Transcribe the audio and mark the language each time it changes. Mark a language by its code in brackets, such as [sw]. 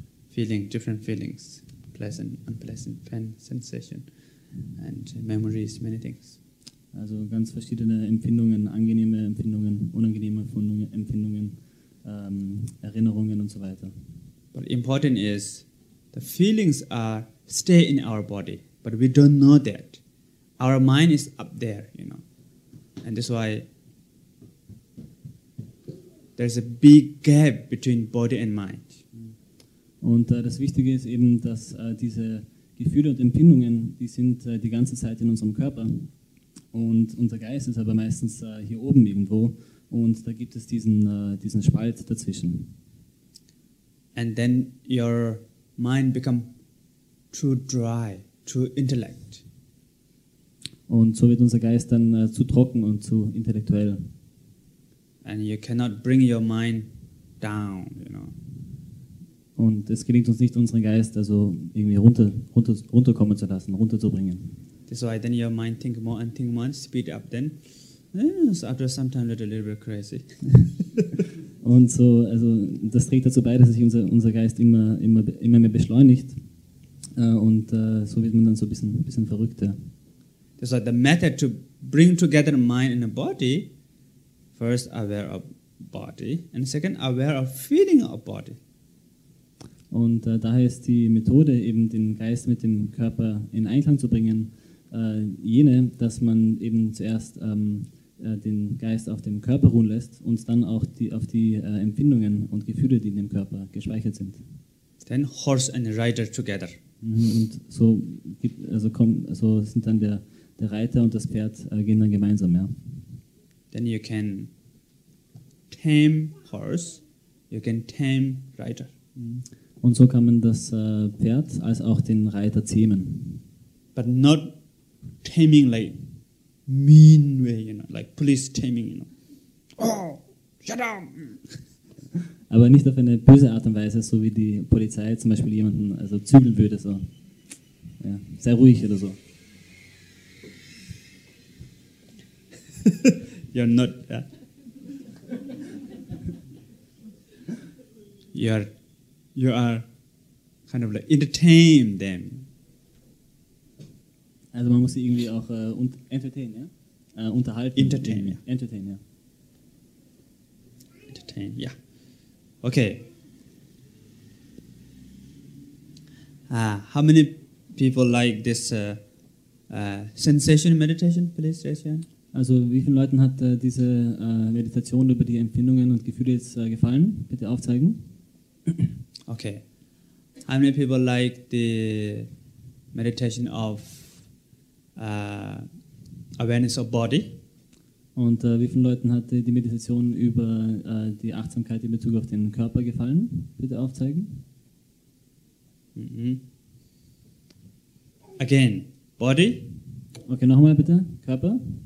[en] Feeling, different feelings, pleasant, unpleasant, pain, sensation, and memories, many things. [de] Also ganz verschiedene Empfindungen, angenehme Empfindungen, unangenehme Empfindungen, Erinnerungen und so weiter. [en] But important is, the feelings are stay in our body, but we don't know that. Our mind is up there, you know. And that's why there's a big gap between body and mind. [de] Und das Wichtige ist eben, dass diese Gefühle und Empfindungen, die sind die ganze Zeit in unserem Körper. Und unser Geist ist aber meistens hier oben irgendwo und da gibt es diesen Spalt dazwischen. [en] And then your mind become too dry, too intellect. [de] Und so wird unser Geist dann zu trocken und zu intellektuell. [en] And you cannot bring your mind down, you know. [de] Und es gelingt uns nicht, unseren Geist also irgendwie runterkommen zu lassen, runterzubringen. [en] So then your mind think more and think more, speed up then. So after some time it's a little bit crazy. [de] Und so, also das trägt dazu bei, dass sich unser Geist immer mehr beschleunigt. Und so wird man dann so ein bisschen verrückter. [en] That's why the method to bring together mind and body, first aware of body, and second aware of feeling of body. [de] Und daher ist die Methode, eben den Geist mit dem Körper in Einklang zu bringen, jene, dass man eben zuerst den Geist auf dem Körper ruhen lässt und dann auch auf die Empfindungen und Gefühle, die in dem Körper gespeichert sind. [en] Then horse and rider together. [de] Und so gibt, also kommen, also sind dann der Reiter und das Pferd gehen dann gemeinsam, ja. [en] Then you can tame horse, you can tame rider. [de] Und so kann man das Pferd als auch den Reiter zähmen. [en] But not taming like mean way, you know, like police taming, you know. Oh, shut up! [de] Aber nicht auf eine böse Art und Weise, so wie die Polizei zum Beispiel jemanden also zügeln würde, so. Ja, sei ruhig oder so. [en] You're not, yeah. You are kind of like entertain them. [de] Also man muss sie irgendwie auch entertain, ja? Unterhalten. Entertain, ja. Entertain, ja. [en] Entertain, ja. Yeah. Okay. How many people like this sensation meditation, please raise your hand? [de] Also wie vielen Leuten hat diese Meditation über die Empfindungen und Gefühle jetzt gefallen? Bitte aufzeigen. [en] Okay. How many people like the meditation of awareness of body? [de] Und wie vielen Leuten hat die Meditation über die Achtsamkeit in Bezug auf den Körper gefallen? Bitte aufzeigen. [en] Mm-hmm. Again, body. [de] Okay, nochmal bitte. Körper.